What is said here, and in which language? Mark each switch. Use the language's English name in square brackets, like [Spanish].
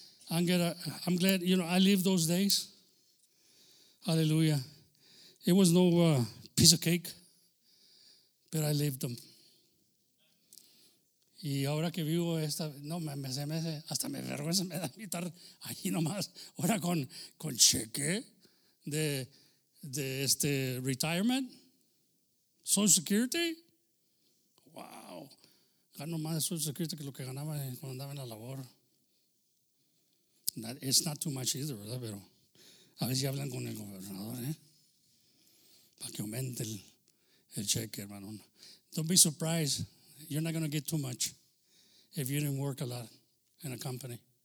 [English] I'm glad, you know, I live those days. Hallelujah. It was no piece of cake, but I lived them. [Spanish] Y ahora que vivo esta, no, me hasta me vergüenza, me da a estar allí nomás. Ahora con cheque de este retirement, Social Security. Wow. Gano más de Social Security que lo que ganaba cuando andaba en la labor. [English] It's not too much either, [Spanish] ¿verdad? Pero a ver si hablan con el gobernador, Para que aumente el cheque, hermano. [English] Don't be surprised. You're not going to get too much if you didn't work a lot in a company.